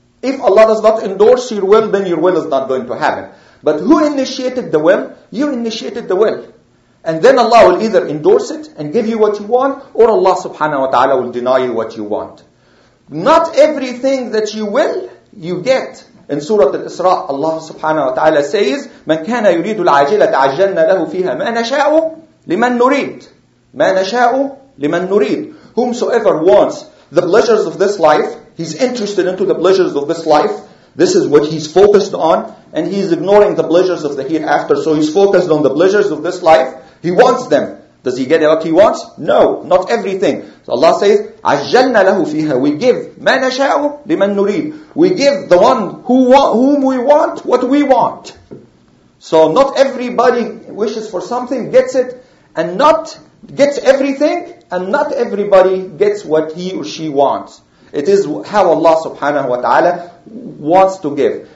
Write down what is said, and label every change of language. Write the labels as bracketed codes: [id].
[en] If Allah does not endorse your will, then your will is not going to happen. But who initiated the will? You initiated the will. And then Allah will either endorse it and give you what you want, or Allah subhanahu wa ta'ala will deny you what you want. Not everything that you will, you get. In Surah Al-Isra, Allah subhanahu wa ta'ala says, [ar] مَنْ كَانَ يُرِيدُ الْعَجِلَةَ عَجَّلْنَا لَهُ فِيهَا مَا نَشَاءُ لِمَنْ نُرِيدُ مَا نَشَاءُ لِمَنْ نُرِيدُ. [en] Whomsoever wants the pleasures of this life, he's interested into the pleasures of this life. This is what he's focused on. And he's ignoring the pleasures of the hereafter. So he's focused on the pleasures of this life. He wants them. Does he get what he wants? No, not everything. So Allah says, [ar] عَجَّلْنَا لَهُ فِيهَا. [en] We give [ar] مَا نَشَاءُ لِمَنْ نُرِيدُ. [en] We give the one whom we want what we want. So not everybody wishes for something, gets it, and not gets everything, and not everybody gets what he or she wants. It is how Allah subhanahu wa ta'ala wants to give.